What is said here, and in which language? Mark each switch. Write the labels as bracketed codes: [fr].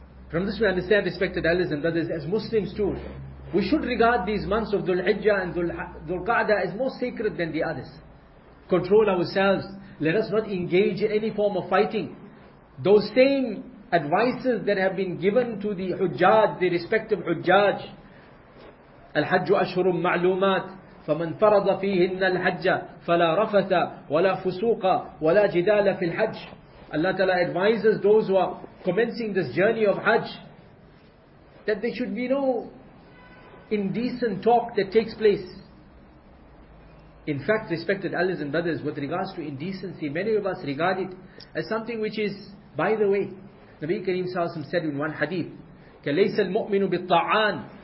[en] From this we understand, respected elders and brothers, as Muslims too, we should regard these months of Dhul Hijjah and Dhul Qa'dah as more sacred than the others. Control ourselves. Let us not engage in any form of fighting. Those same advices that have been given to the Hujjaj, the respective Hujjaj. [ar] Al-Hajju Ashhurum Ma'lumat, فَمَنْ فَرَضَ فِيهِنَّ الْحَجَّ فَلَا رَفَثَ وَلَا فُسُوقَ وَلَا جِدَالَ فِي الْحَجِّ. [en] Allah Ta'ala advises those who are commencing this journey of Hajj that there should be no indecent talk that takes place. In fact, respected elders and brothers, with regards to indecency, many of us regard it as something which is, by the way, Nabi Kareem Sallallahu Alaihi Wasallam said in one hadith, [ar] كَلَيْسَ الْمُؤْمِنُ بِالطَّعَانِ